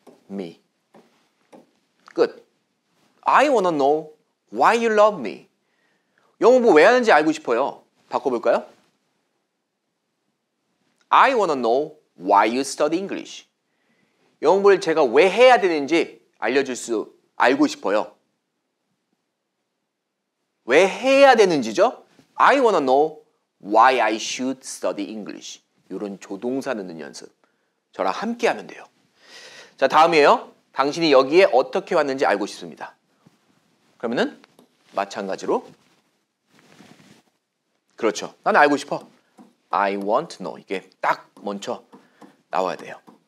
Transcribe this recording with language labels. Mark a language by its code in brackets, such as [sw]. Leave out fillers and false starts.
[en] Me. 끝. I wanna know why you love me. [ko] 영어 뭐 왜 하는지 알고 싶어요. 바꿔볼까요? [en] I wanna know why you study English. [ko] 영어를 제가 왜 해야 되는지 알려줄 수 알고 싶어요. 왜 해야 되는지죠? [en] I wanna know why I should study English. [ko] 이런 조동사 넣는 연습. 저랑 함께 하면 돼요. 자, 다음이에요. 당신이 여기에 어떻게 왔는지 알고 싶습니다. 그러면은 마찬가지로 그렇죠. 나는 알고 싶어. [en] I want to know. [ko] 이게 딱 먼저 나와야 돼요.